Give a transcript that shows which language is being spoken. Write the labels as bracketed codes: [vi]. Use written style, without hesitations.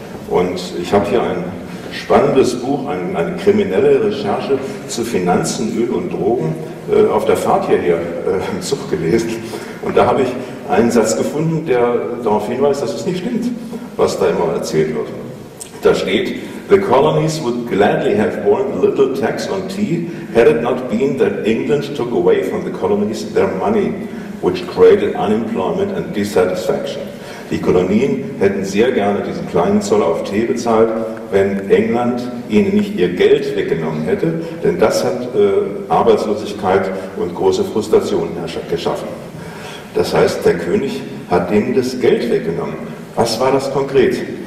[de] Und ich habe hier ein spannendes Buch, eine kriminelle Recherche zu Finanzen, Öl und Drogen, auf der Fahrt hierher im Zug gelesen. Und da habe ich einen Satz gefunden, der darauf hinweist, dass es nicht stimmt, was da immer erzählt wird. Da steht, [en] the colonies would gladly have borne a little tax on tea, had it not been that England took away from the colonies their money, which created unemployment and dissatisfaction. [de] Die Kolonien hätten sehr gerne diesen kleinen Zoll auf Tee bezahlt, wenn England ihnen nicht ihr Geld weggenommen hätte, denn das hat Arbeitslosigkeit und große Frustration geschaffen. Das heißt, der König hat denen das Geld weggenommen. Was war das konkret?